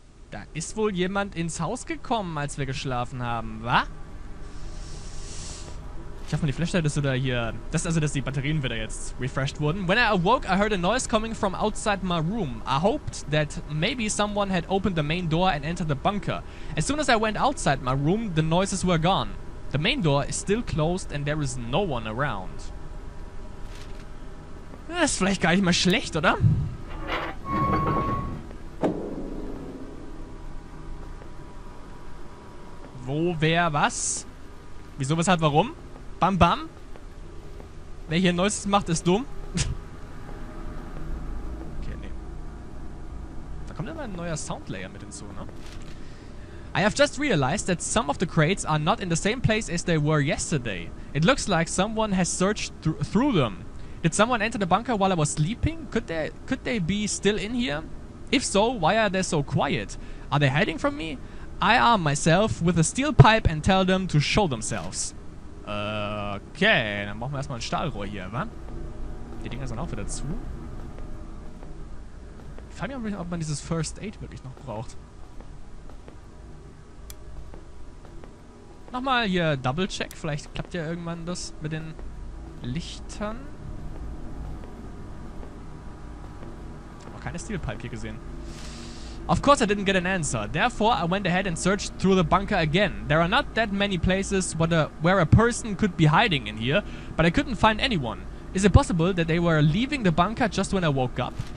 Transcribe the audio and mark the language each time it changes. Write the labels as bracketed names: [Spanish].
[German] Da ist wohl jemand ins Haus gekommen, als wir geschlafen haben, wa? Ich hoffe, die Flashlight ist wieder hier. Das ist also, dass die Batterien wieder jetzt refreshed wurden. [English] When I awoke, I heard a noise coming from outside my room. I hoped that maybe someone had opened the main door and entered the bunker. As soon as I went outside my room, the noises were gone. The main door is still closed and there is no one around. [German] Das ist vielleicht gar nicht mal schlecht, oder? Wo, wer, was? Wieso, weshalb, warum? Bam, bam. Wer hier ein Neues macht, ist dumm. Okay, nee. Da kommt immer ein neuer Soundlayer mit hinzu, ne? [English] I have just realized that some of the crates are not in the same place as they were yesterday. It looks like someone has searched through them. Did someone enter the bunker while I was sleeping? Could they be still in here? If so, why are they so quiet? Are they hiding from me? I arm myself with a steel pipe and tell them to show themselves. [German] Okay, dann brauchen wir erstmal ein Stahlrohr hier, wa? Die Dinger sind auch wieder zu. Ich frage mich, ob man dieses First Aid wirklich noch braucht. Nochmal hier Double Check, vielleicht klappt ja irgendwann das mit den Lichtern. Ich habe auch keine Steel Pipe hier gesehen. [English] Of course I didn't get an answer. Therefore, I went ahead and searched through the bunker again. There are not that many places where a person could be hiding in here, but I couldn't find anyone. Is it possible that they were leaving the bunker just when I woke up?